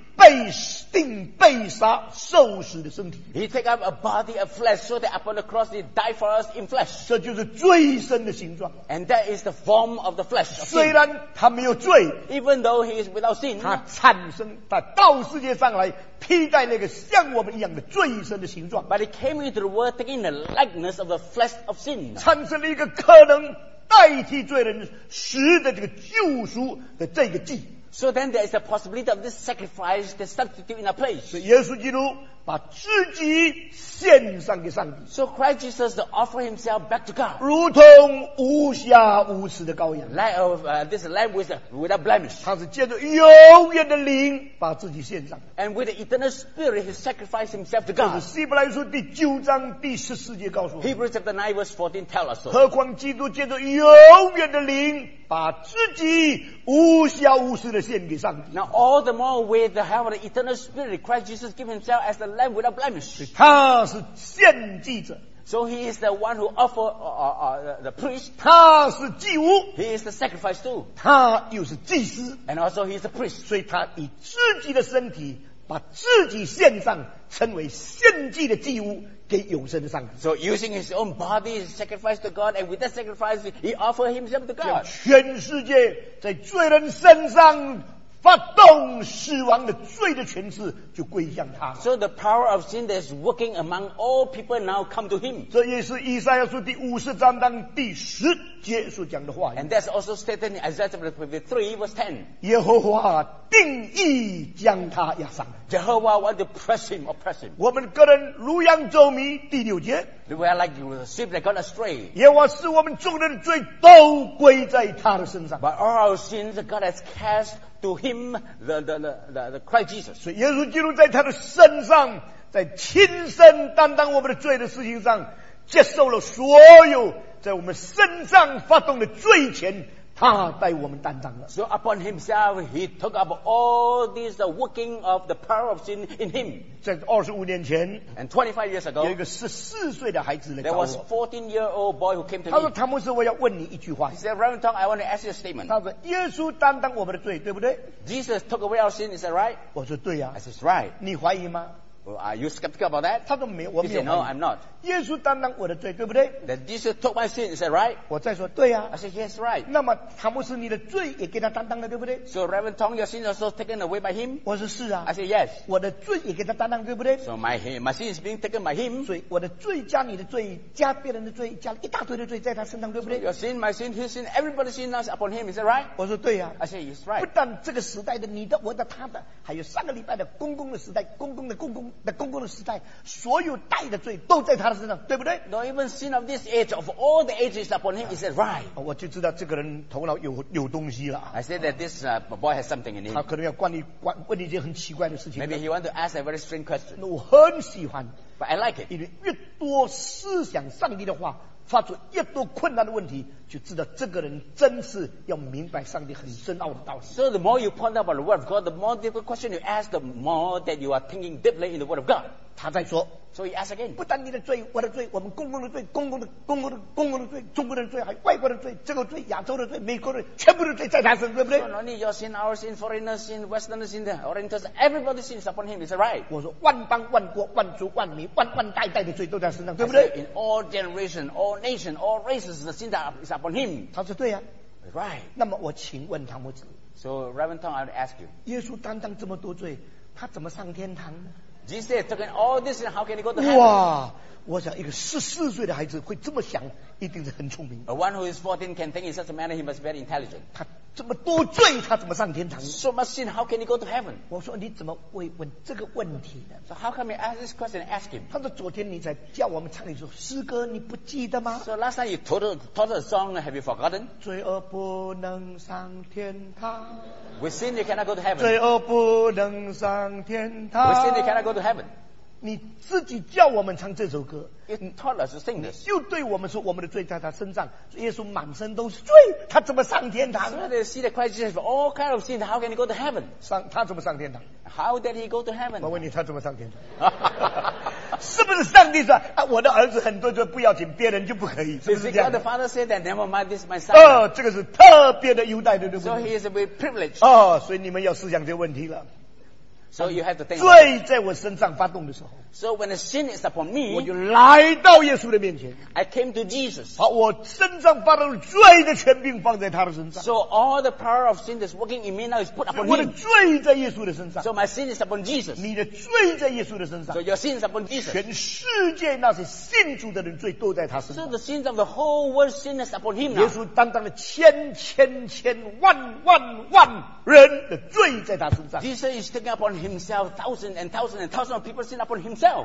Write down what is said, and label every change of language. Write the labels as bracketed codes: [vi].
[zh] 被钉被杀受死的身体。 [en] He take up a body of flesh so that upon the cross he died for us in flesh. [zh] 这就是罪身的形状。 [en] And that is the form of the flesh. [zh] 虽然他没有罪 [en] ，even though he is without sin， [zh] 他产生他到世界上来披戴那个像我们一样的罪身的形状。 [en] But he came into the world taking the likeness of the flesh of sin， [zh] 产生了一个可能代替罪人死的这个救赎的这个祭。 [en] So then there is the possibility of this sacrifice, the substitute in our place. [zh] 耶稣基督把自己献上给上帝。 [en] So Christ Jesus to offer himself back to God. [zh] 如同无瑕无疵的羔羊。 [en] Like of, this lamb without blemish. [zh] 他是借着永远的灵把自己献上。 [en] And with the eternal spirit, he sacrificed himself to God. [zh] 这是希伯来书第九章第十四节告诉我。 [en] Hebrews chapter 9 verse 14 tell us so. [zh] 何况基督借着永远的灵把自己无瑕无疵的献给上帝。 [en] Now all the more with the help of the eternal spirit, Christ Jesus gave himself as the lamb without blemish. [zh] 他是献祭者。 [en] So he is the one who offered the priest. [zh] 他是祭物。 [en] He is the sacrifice too. [zh] 他又是祭司。 [en] And also he is the priest. [zh] 所以他以自己的身体把自己献上，成为献祭的祭物。给永生的上帝。 [en] So using his own body is sacrificed to God, and with that sacrifice, he offered himself to God. [zh] 全世界在罪人身上发动死亡的罪的权势就归向他。 [en] So the power of sin that is working among all people now come to him. [zh] 这也是以赛亚书第五十章当第十节所讲的话。 [en] And that's also stated in Isaiah chapter 53 verse 10. [zh] 耶和华定义将他压伤。 [en] Jehovah want to press him, oppress him. [zh] 我们个人如羊走迷，第六节。 [en] We are like the sheep that gone astray. [zh] 耶和华使我们众人的罪都归在他的身上。 [en] But all our sins God has cast to him, the Christ Jesus. [zh] 所以耶稣基督在他的身上，在亲身担当我们的罪的事情上，接受了所有在我们身上发动的罪权。他带我们担当了。 [en] So upon himself, he took up all this the working of the power of sin in him. [zh] 在二十五年前 [en] ，and 25 years ago, [zh] 有一个十四岁的孩子来找我。 [en] There was a 14-year-old boy who came to me. [zh] 他说：“汤姆斯，我要问你一句话。 [en] ”He said, "Reverend Tom, I want to ask you a statement." [zh] 他说：“耶稣担当我们的罪，对不对 [en] ？”Jesus took away our sin. Is that right? [zh] 我说：“对呀。 [en] ”I said, "Right." [zh] 你怀疑吗？ [en] Well, are you skeptical about that? [zh] 他说没有，我没有。 [en] He said, "No, I'm not." [zh] 耶稣担当我的罪，对不对 [en] ？That Jesus took my sin. Is that right? [zh] 我再说，对呀。 [en] I said, "Yes, right." [zh] 那么汤姆斯，你的罪也给他担当了，对不对 [en] ？So Reverend Tong, your sins are also taken away by him. [zh] 我说是啊。 [en] I said, "Yes." [zh] 我的罪也给他担当，对不对 [en] ？So my sin is being taken by him. [zh] 所以我的罪加你的罪加别人的罪加一大堆的罪在他身上，对不对 [en] ？Your sin, my sin, his sin, everybody's sin now is upon him. Is that right? [zh] 我说对呀。 [en] I said, "Yes, right." [zh] 不但这个时代的你的、我的、他的，还有上个礼拜的公公的时代、公公的公公。的公共的时代，所有带的罪都在他的身上，对不对 [en] ？No, even sin of this age, of all the ages upon him, is it right? [zh] 我就知道这个人头脑有东西了。 [en] I said that this boy has something in him. [zh] 他可能要问一件很奇怪的事情。 [en] Maybe he want to ask a very strange question. [zh] 我很喜欢 [en] ，but I like it. [zh] 因为越多思想上帝的话，发出越多困难的问题。就知道这个人真是要明白上帝很深奥的道理。 [en] So the more you ponder about the word of God, the more difficult question you ask, the more that you are thinking deeply in the word of God. [zh] 他在说。 [en] So he asks again. [zh] 不但你的罪，我的罪，我们公共的罪，公共的罪，中国人的罪，还有外国人的罪，这个罪，亚洲的罪，美国人，全部的罪在他身上，对不对 [en] ？So not only your sin, our sin, foreigners' sin, westerners' sin, orientals, everybody's sins upon him. Is that right? [zh] 我说万邦万国万族万民万万代代的罪都在身上，对不对 [en] ？In all generation, all nation, all races, the sins are upon him. [zh] 他说对呀、 [en] 啊、，right. [zh] 那么我请问汤姆斯 [en] ，So Reverend Tom, I would ask you. [zh] 耶稣担当这么多罪，他怎么上天堂呢 [en] ？Jesus took all this, and how can he go to heaven? [zh] 哇，我想一个十四岁的孩子会这么想，一定是很聪明。 [en] A one who is 14 can think in such a manner, he must be very intelligent. [zh] 他这么多罪，他怎么上天堂 [en] ？So much sin, how can he go to heaven? [zh] 我说你怎么会问这个问题呢 [en] ？So how come you ask this question? And ask him. [zh] 他说昨天你在叫我们唱一首诗歌，你不记得吗 [en] ？So last time you taught us a song, have you forgotten? [zh] 罪恶不能上天堂。 [en] With sin, you cannot go to heaven. [zh] 罪恶不能上天堂。 [en] With sin, you cannot go to heaven. [zh] 你自己叫我们唱这首歌。 [en] You taught us to sing this. [zh] 就对我们说，我们的罪在他身上。耶稣满身都是罪，他怎么上天堂 [en] ？So they see the Christ Jesus for all kind of sins. How can he go to heaven? [zh] 他怎么上天堂 [en] ？How did he go to heaven? [zh] 我问你，他怎么上天堂？是不是上帝说、啊、我的儿子很多罪不要紧，别人就不可以？是不是这样 [en] ？God the Father said that never mind this my son. [zh] 这个是特别的优待，对不对 [en] ？So he is a privilege. [zh] 所以你们要思想这个问题了。 [en] So you have to think. [zh] 罪在我身上发动的时候。 [en] So when the sin is upon me, [zh] 我就来到耶稣的面前。 [en] I came to Jesus. [zh] 把我身上发动的罪的权柄放在他的身上。 [en] So all the power of sin that's working in me now is put upon him. [zh] 我的罪在耶稣的身上。 [en] So my sin is upon Jesus. [zh] 你的罪在耶稣的身上。 [en] So your sin is upon Jesus. [zh] 全世界那些信主的人罪都在他身上。 [en] So the sins of the whole world sin is upon him now. [zh] 耶稣担当了千千千万万万人的罪在他身上。 [en] Jesus is taking upon himself thousands and thousands and thousands of people sin upon himself.